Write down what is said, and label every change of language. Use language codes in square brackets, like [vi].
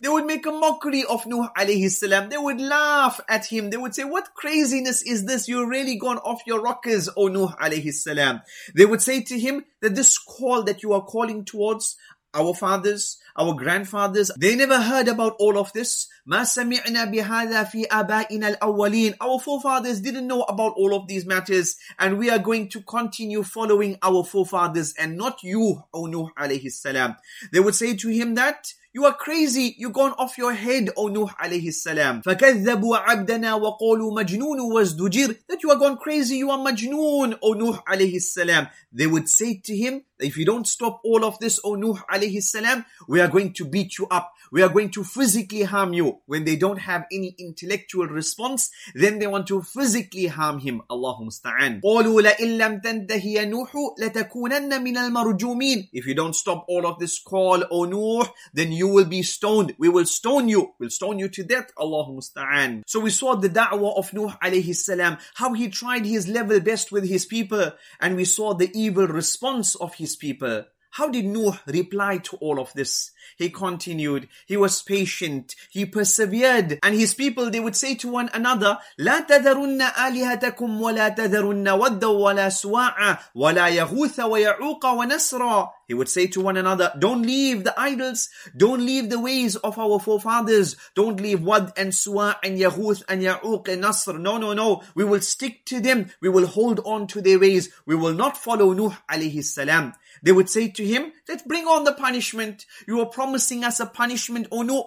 [en] They would make a mockery of Nuh alayhi salam. They would laugh at him. They would say, what craziness is this? You've really gone off your rockers, O Nuh alayhi salam. They would say to him that this call that you are calling towards our fathers, our grandfathers, they never heard about all of this. [ar] ما سمعنا بهذا في آبائنا الأولين. [en] Our forefathers didn't know about all of these matters, and we are going to continue following our forefathers and not you, O Nuh alayhi salam. They would say to him that you are crazy, you've gone off your head, O Nuh alayhi salam. [ar] فَكَذَّبُوا عَبْدَنَا وَقَالُوا مَجْنُونُ وَزْدُجِرْ. [en] That you are gone crazy, you are majnoon, O Nuh alayhi salam. They would say to him, if you don't stop all of this, O Nuh alayhi salam, we are going to beat you up. We are going to physically harm you. When they don't have any intellectual response, then they want to physically harm him. [ar] Allahu musta'an. قَالُوا لَإِنْ لَمْ تَنْتَهِ يَا نُوحُ لَتَكُونَنَّ مِنَ الْمَرْجُومِينَ. [en] If you don't stop all of this call, O Nuh, then you will be stoned. We will stone you. We'll stone you to death. Allahu musta'an. So we saw the da'wah of Nuh alayhi salam, how he tried his level best with his people, and we saw the evil response of his people. How did Nuh reply to all of this? He continued. He was patient. He persevered. And his people, they would say to one another, [ar] لَا تَذَرُنَّ آلِهَتَكُمْ وَلَا تَذَرُنَّ وَدَّ وَلَا سُوَاعَ وَلَا يَغُوثَ وَيَعُوقَ وَنَسْرَ. [en] He would say to one another, don't leave the idols. Don't leave the ways of our forefathers. Don't leave Wad and Suwa and Yahuth and Ya'uq and Nasr. No, no, no. We will stick to them. We will hold on to their ways. We will not follow Nuh alayhi salam. They would say to him, let's bring on the punishment. You are promising us a punishment, O Nuh.